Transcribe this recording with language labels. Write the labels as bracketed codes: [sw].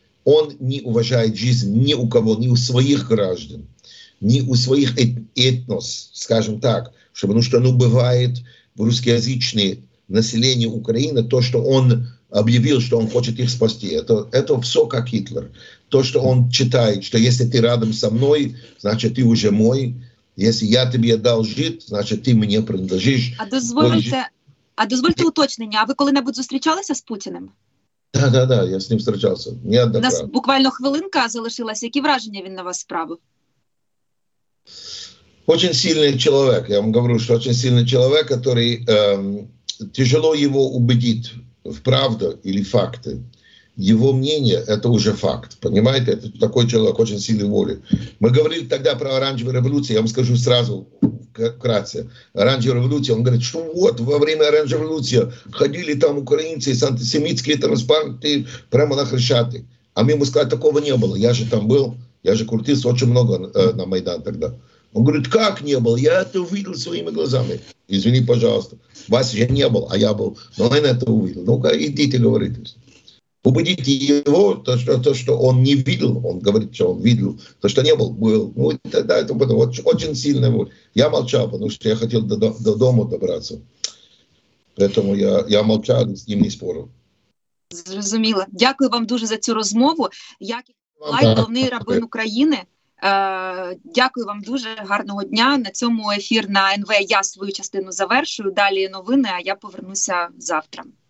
[ru] Он не уважает жизнь ни у кого, ни у своих граждан, ни у своих этнос, скажем так, чтобы, ну что, ну бывает в русскоязычное население Украины то, что он объявил, что он хочет их спасти. Это все как Гитлер. То, что он читает, что если ты рядом со мной, значит, ты уже мой. Если я тебе дал жить, значит, ты мне принадлежишь. [uk] А дозвольте уточнення, а ви коли-небудь зустрічалися з Путіним? Так, я з ним зустрічався. У нас буквально хвилинка залишилася. Які враження він на вас справив? Дуже сильний чоловік. Я вам говорю, що дуже сильний чоловік, який тяжело його убедити в правду або факти. [ru] Его мнение – это уже факт, понимаете? Это такой человек, очень сильной воли. Мы говорили тогда про оранжевую революцию, я вам скажу сразу, вкратце. Оранжевая революция, он говорит, что вот во время оранжевой революции ходили там украинцы с антисемитскими транспарантами прямо на Хрещатик. А мне ему сказать, такого не было. Я же там был, я же крутился очень много на Майдан тогда. Он говорит, как не было? Я это увидел своими глазами. Извини, пожалуйста. Вас же не было, а я был. Но он это увидел. Ну-ка, идите, говорите. Убедите его, то, что он не видел, он говорит, что он видел, то, что не был, был. Ну, тогда это было очень сильно. Я молчал, потому что я хотел до дома добраться. Поэтому я молчал, с ним не спорил. [uk] Зрозуміло. Дякую вам дуже за цю розмову. Як Лайт, головний рабин України. Дякую вам дуже, гарного дня. На цьому ефір на НВ я свою частину завершую. Далі новини, а я повернуся завтра.